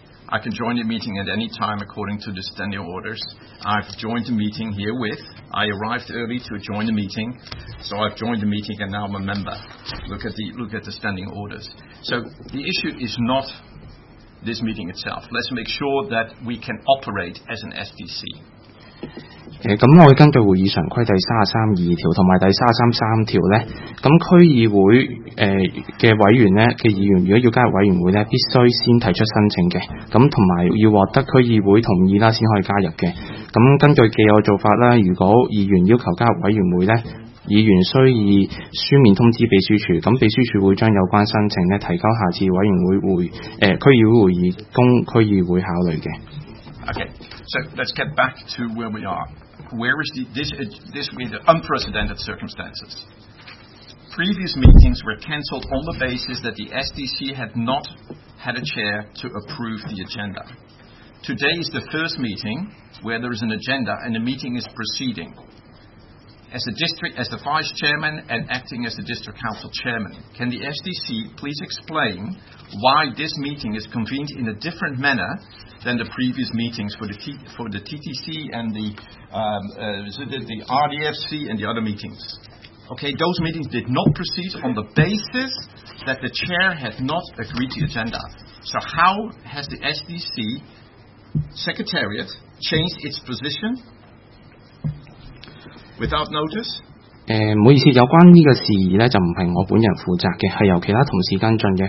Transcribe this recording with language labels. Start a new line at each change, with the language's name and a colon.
English: I can join the meeting at any time according to the standing orders. I've joined the meeting here with. I arrived early to join the meeting. So I've joined the meeting and now I'm a member. Look at the standing orders. So the issue is not this meeting itself. Let's make sure that we can operate as an SDC.
Cantonese: 咁我根據會議常規第332条同埋第333条咧，咁區議會嘅委員咧嘅議員，如果要加入委員會咧，必須先提出申請嘅，咁同埋要獲得區議會同意啦，先可以加入嘅。咁根據既有做法啦，如果議員要求加入委員會咧，議員需以書面通知秘書處，咁秘書處會將有關申請咧提交下次委員會會區議會會議供區議會考慮嘅。
English: Okay. So let's get back to where we are. Where is this with the unprecedented circumstances? Previous meetings were cancelled on the basis that the SDC had not had a chair to approve the agenda. Today is the first meeting where there is an agenda and the meeting is proceeding. As the vice chairman and acting as the district council chairman, can the SDC please explain why this meeting is convened in a different manner? Than the previous meetings for the TTC and the RDFC and the other meetings. Okay, those meetings did not proceed on the basis that the chair had not agreed to the agenda. So how has the SDC secretariat changed its position without notice?
Cantonese: 唔好意思，有關呢個事宜咧，就唔係我本人負責嘅，係由其他同事跟進嘅。